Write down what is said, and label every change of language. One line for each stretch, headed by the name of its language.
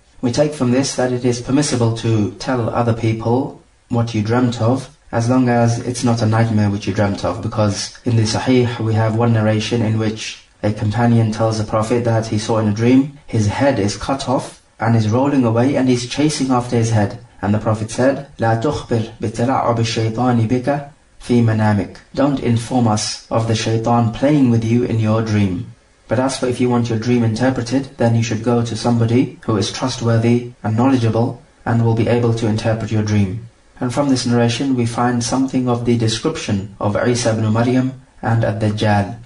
English: We take from this that it is permissible to tell other people what you dreamt of, as long as it's not a nightmare which you dreamt of. Because in the Sahih we have one narration in which a companion tells the Prophet that he saw in a dream, his head is cut off and is rolling away and he's chasing after his head. And the Prophet said,
Arabic: لَا تُخْبِرْ بِتَلَعُبِ الشَّيْطَانِ بِكَ فِي مَنَامِكَ.
English: Don't inform us of the shaitan playing with you in your dream. But as for if you want your dream interpreted, then you should go to somebody who is trustworthy and knowledgeable and will be able to interpret your dream. And from this narration, we find something of the description of Isa ibn Maryam and Ad-Dajjal.